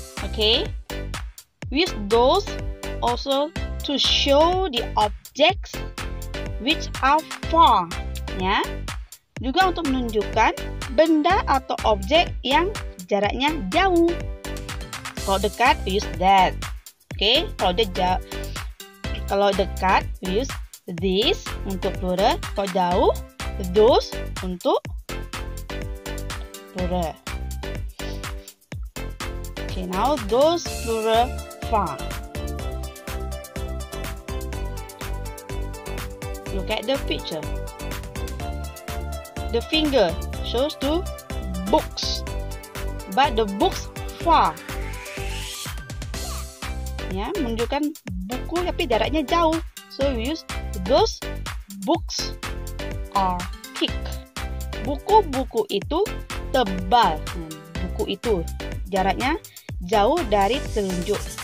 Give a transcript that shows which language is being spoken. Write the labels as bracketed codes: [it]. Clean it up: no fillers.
[en] Okay, we use those also to show the objects which are far, ya. [id] Juga untuk menunjukkan benda atau objek yang jaraknya jauh. Kalau dekat, [en] we use that. [id] Okay, kalau dia jauh, kalau dekat, [en] we use this [id] untuk plural. Kalau jauh, those untuk plural. [en] Okay, now those plural far. Look at the picture. The finger shows to books, but the books far. [id] Ya, menunjukkan buku tapi jaraknya jauh. [en] So we use those books are thick. [id] Buku-buku itu tebal. Buku itu jaraknya jauh dari telunjuk.